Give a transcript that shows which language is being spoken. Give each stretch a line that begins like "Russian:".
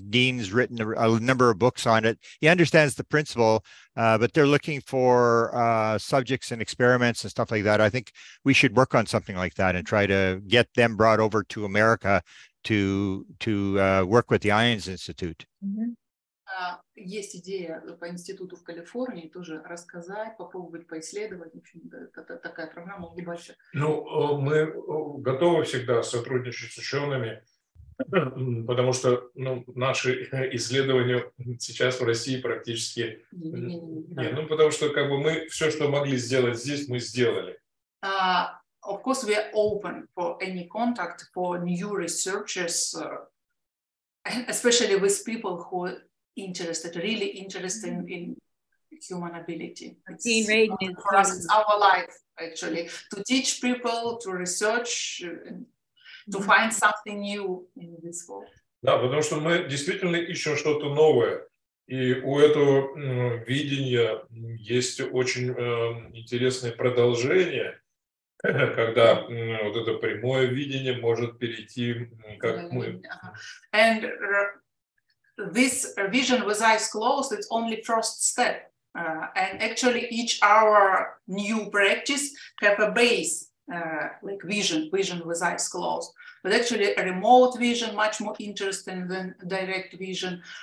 English: Dean's written a number of books on it. He understands the principle, but they're looking for subjects and experiments and stuff like that. I think we should work on something like that and try to get them brought over to America to work with the Ions Institute. Mm-hmm.
Russian: Есть идея по институту в Калифорнии тоже рассказать, попробовать поисследовать. В общем, это такая программа небольшая. Ну, мы готовы всегда сотрудничать с учеными, потому что ну, наши исследования сейчас в России практически... Не, ну, потому что как бы мы все, что могли сделать здесь, мы сделали.
English: Of course, we are open for any contact for new researchers, especially with people who... interested, really interested in human ability. It's our life, actually, to teach people, to research, to find something new in this world.
Russian: Да, потому что мы действительно ищем что-то новое, и у этого видения есть очень интересное продолжение, когда вот это прямое видение может перейти, как мы.
English: And this vision with eyes closed, it's only first step. And actually each hour new practice have a base, like vision with eyes closed. But actually a remote vision, much more interesting than direct vision.